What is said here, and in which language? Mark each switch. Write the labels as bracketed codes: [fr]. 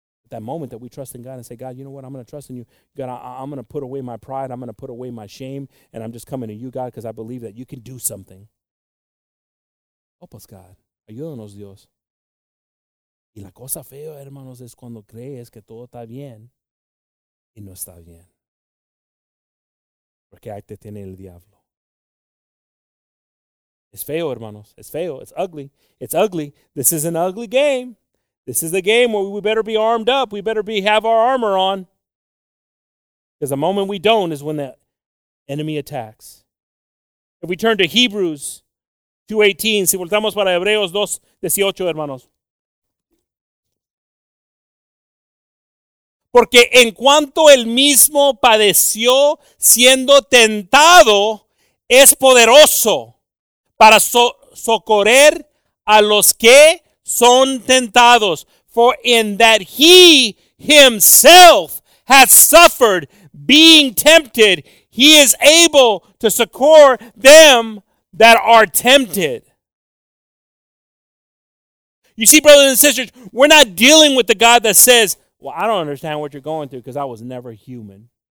[en] That moment that we trust in God and say, God, you know what? I'm going to trust in you. God, I'm going to put away my pride. I'm going to put away my shame. And I'm just coming to you, God, because I believe that you can do something. Help us, God. [es] Ayúdanos, Dios. Y la cosa fea, hermanos, es cuando crees que todo está bien y no está bien. Porque ahí te tiene el diablo. Es feo, hermanos. Es feo. [en] It's ugly. It's ugly. This is an ugly game. This is a game where we better be armed up. We better have our armor on. Because the moment we don't is when the enemy attacks. If we turn to Hebrews 2:18, [es] si voltamos para Hebreos 2:18, hermanos. Porque en cuanto el mismo padeció siendo tentado, es poderoso para socorrer a los que son tentados. [en] For in that he himself has suffered being tempted, he is able to succor them that are tempted. You see, brothers and sisters, we're not dealing with the God that says, well, I don't understand what you're going through because I was never human.